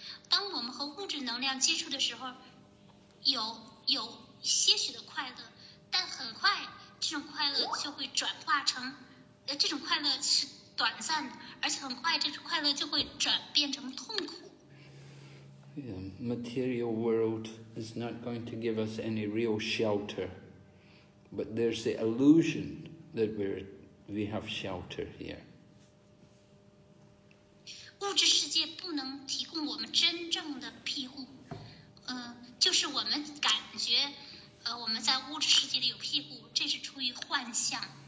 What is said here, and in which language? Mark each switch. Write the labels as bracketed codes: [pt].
[zh] 当我们和物质能量接触的时候，有些许的快乐，但很快这种快乐就会转化成，这种快乐是短暂的，而且很快这种快乐就会转变成痛苦。 [en] Yeah, material world is not going to give us any real shelter, but there's the illusion that we have shelter here. [zh] 物质世界不能提供我们真正的庇护，就是我们感觉，我们在物质世界里有庇护，这是出于幻象。